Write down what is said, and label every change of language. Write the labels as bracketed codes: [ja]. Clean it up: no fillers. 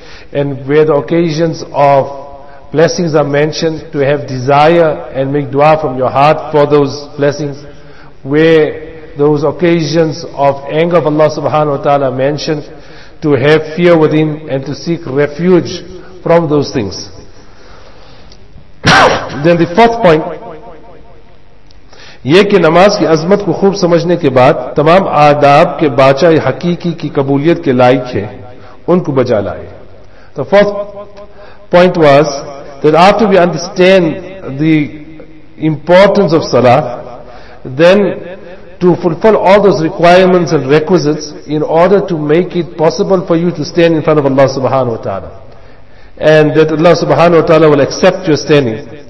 [en] And where the occasions of blessings are mentioned, to have desire and make dua from your heart for those blessings, where those occasions of anger of Allah subhanahu wa ta'ala mentioned, to have fear within and to seek refuge from those things. Then the fourth point, [ur] یہ کہ نماز کی عظمت کو خوب سمجھنے کے بعد تمام آداب کے باچہ حقیقی کی قبولیت کے لائق ہے ان کو بجا لائے. [en] The fourth point was that after we understand the importance of salah, then to fulfill all those requirements and requisites in order to make it possible for you to stand in front of Allah subhanahu wa ta'ala, and that Allah subhanahu wa ta'ala will accept your standing.